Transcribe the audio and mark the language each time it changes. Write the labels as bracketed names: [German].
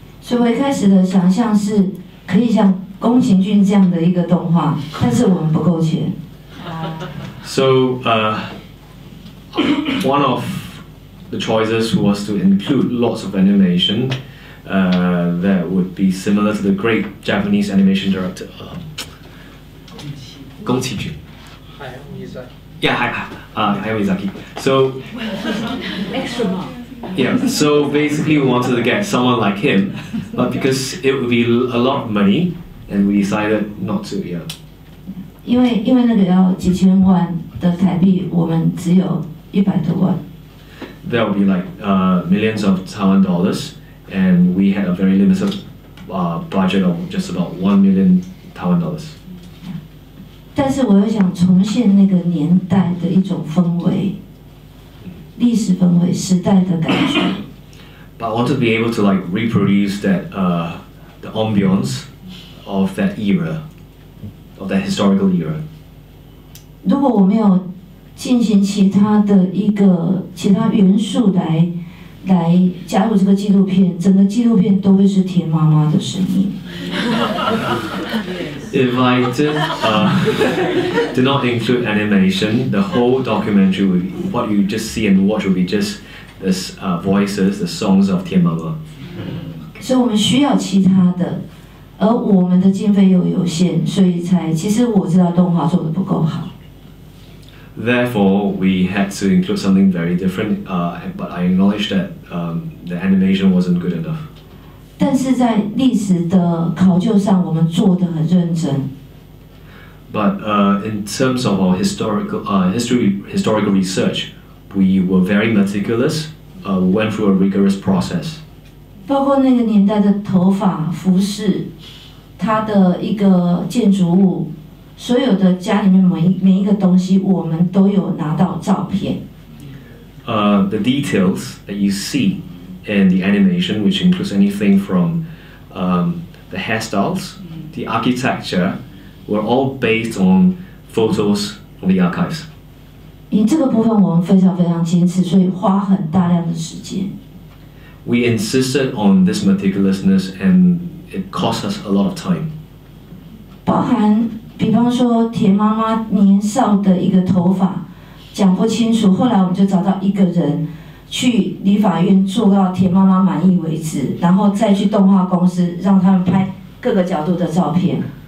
[Chinese] 所以我一开始的想象是可以像宫崎骏这样的一个动画，但是我们不够钱。 [English] So, one of the choices was to include lots of animation, that would be similar to the great Japanese animation director, [Chinese] 宫崎骏。 [English] Hayao Miyazaki. So, extra mark. Yeah. So basically, we wanted to get someone like him, but because it would be a lot of money, and we decided not to. Yeah. Because that [Chinese] 要几千万的台币，我们只有一百多万。 [English] That would be like millions of Taiwan dollars, and we had a very limited budget of just about 1 million Taiwan dollars. [Chinese] 但是我又想重现那个年代的一种氛围，历史氛围、时代的感觉。 [English] But I want to be able to like reproduce that the ambience of that era, of that historical era. [Chinese] 如果我没有进行其他的一个其他元素来加入这个纪录片，整个纪录片都会是田妈妈的声音。 [English] If I did not include animation, the whole documentary would be, what you just see and watch would be just this voices, the songs of Tian Mama. So we need other things, and our budget is limited, so I know the animation did not do well. Therefore, we had to include something very different, but I acknowledge that the animation wasn't good enough. [Chinese] 但是在历史的考究上，我们做得很认真。 [English] But in terms of our historical research, we were very meticulous. Went through a rigorous process. [Chinese] 包括那个年代的头发、服饰，它的一个建筑物，所有的家里面每一个东西，我们都有拿到照片。 [English] The details that you see. And the animation, which includes anything from the hairstyles, the architecture, were all based on photos from the archives. [Chinese] 这个部分我们非常非常坚持，所以花很大量的时间。 [English] We insisted on this meticulousness, and it cost us a lot of time. [Chinese] 包含，比方说田妈妈年少的一个头发讲不清楚，后来我们就找到一个人。去理法院做到田妈妈满意为止，然后再去动画公司让他们拍各个角度的照片。